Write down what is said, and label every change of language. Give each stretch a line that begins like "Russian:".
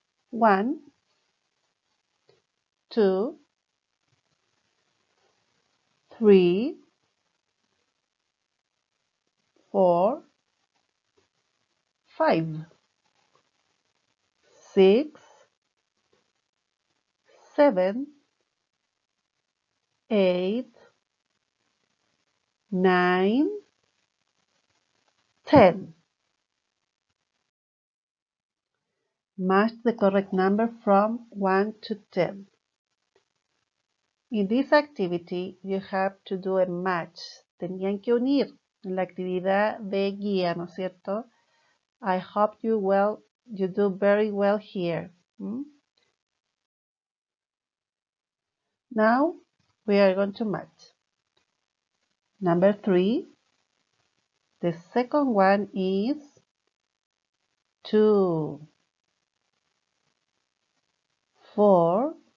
English: 1, 2, 3, 4, 5, 6, 7, 8, 9, 10. Match the correct number from 1 to 10. In this activity, you have to do a match.
Spanish: Tenían que unir en la actividad de guía, ¿no es cierto?
English: I hope you well, you do very well here. Now, we are going to match. Number three. The second one is two, four.